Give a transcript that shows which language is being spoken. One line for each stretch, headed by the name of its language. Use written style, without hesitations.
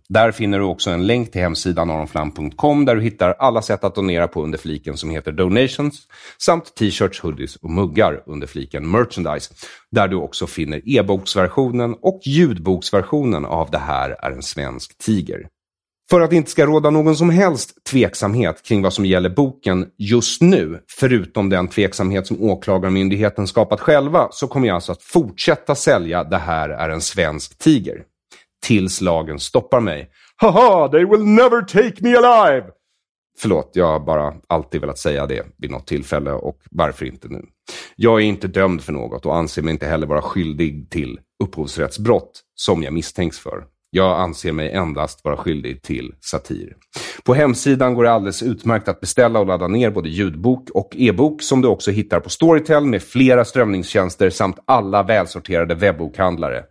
Swedish: Där finner du också en länk till hemsidan aronflam.com där du hittar alla sätt att donera på under fliken som heter Donations samt t-shirts, hoodies och muggar under fliken Merchandise där du också finner e-boksversionen och ljudboksversionen av det här är en svensk tiger. För att inte ska råda någon som helst tveksamhet kring vad som gäller boken just nu, förutom den tveksamhet som åklagarmyndigheten skapat själva, så kommer jag alltså att fortsätta sälja Det här är en svensk tiger. Tills lagen stoppar mig.
English: Haha, they will never take me alive!
Swedish: Förlåt, jag har bara alltid velat säga det vid något tillfälle och varför inte nu. Jag är inte dömd för något och anser mig inte heller vara skyldig till upphovsrättsbrott som jag misstänks för. Jag anser mig endast vara skyldig till satir. På hemsidan går det alldeles utmärkt att beställa och ladda ner både ljudbok och e-bok som du också hittar på Storytel med flera strömningstjänster samt alla välsorterade webbokhandlare.